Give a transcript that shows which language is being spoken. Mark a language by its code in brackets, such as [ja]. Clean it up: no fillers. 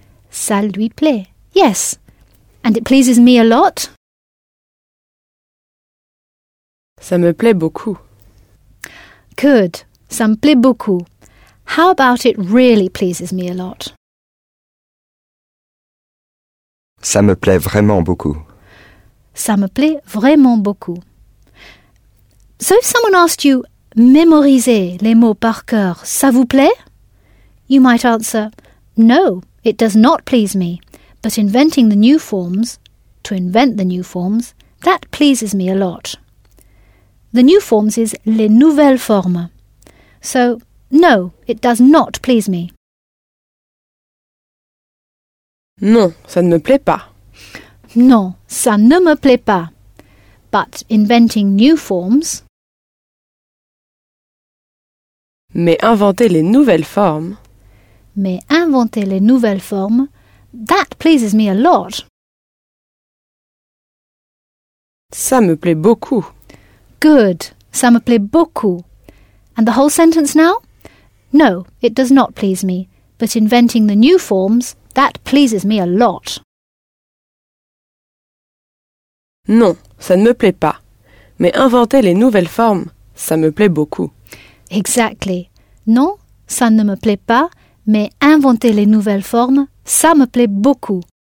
[fr] Ça lui plaît. [en] Yes. And it pleases me a lot. [fr] Ça me plaît beaucoup. Good. Ça me plaît beaucoup. [en] How about it really pleases me a lot? [fr] Ça me plaît vraiment beaucoup. Ça me plaît vraiment beaucoup. [en] So if someone asked you, [fr] mémoriser les mots par cœur, ça vous plaît? [en] You might answer, no, it does not please me. But inventing the new forms, to invent the new forms, that pleases me a lot. The new forms is les nouvelles formes. So, no, it does not please me. [fr] Non, ça ne me plaît pas. Non, ça ne me plaît pas. [en] But inventing new forms... [fr] Mais inventer les nouvelles formes... Mais inventer les nouvelles formes, [en] that pleases me a lot. [fr] Ça me plaît beaucoup. Good, ça me plaît beaucoup. [en] And the whole sentence now? No, it does not please me. But inventing the new forms, that pleases me a lot. [fr] Non, ça ne me plaît pas. Mais inventer les nouvelles formes, ça me plaît beaucoup. [en] Exactly. [fr] Non, ça ne me plaît pas. Mais inventer les nouvelles formes, ça me plaît beaucoup.